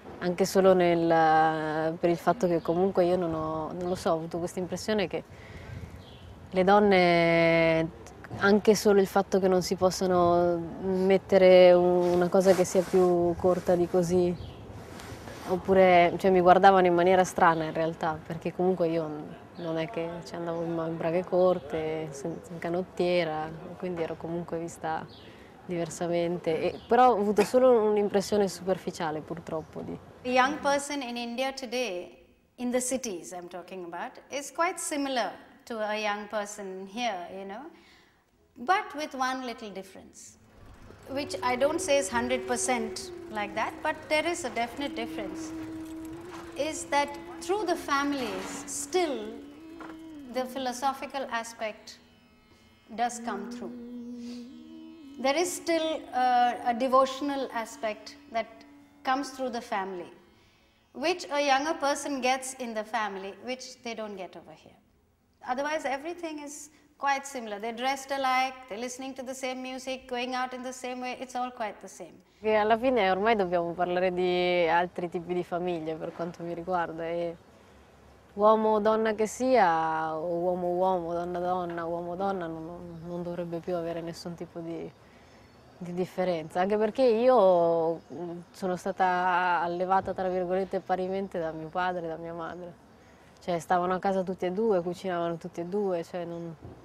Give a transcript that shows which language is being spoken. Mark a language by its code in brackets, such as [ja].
[it] Anche solo per il fatto che comunque io non lo so, ho avuto questa impressione che le donne, anche solo il fatto che non si possano mettere una cosa che sia più corta di così, oppure, cioè, mi guardavano in maniera strana in realtà, perché comunque io non è che ci andavo in braghe corte, in canottiera, quindi ero comunque vista diversamente. Però ho avuto solo un'impressione superficiale, purtroppo, di. [en] A young person in India today, in the cities I'm talking about, is quite similar to a young person here, you know, but with one little difference, which I don't say is 100% like that, but there is a definite difference, is that through the families, still the philosophical aspect does come through. There is still a devotional aspect that comes through the family, which a younger person gets in the family, which they don't get over here. Otherwise, everything is quite similar. They're dressed alike, they're listening to the same music, going out in the same way, it's all quite the same. [it] Che alla fine ormai dobbiamo parlare di altri tipi di famiglie per quanto mi riguarda, e uomo o donna che sia, o uomo uomo, donna donna, uomo donna, non dovrebbe più avere nessun tipo di differenza, anche perché io sono stata allevata tra virgolette parimente da mio padre e da mia madre, cioè stavano a casa tutti e due, cucinavano tutti e due, cioè non.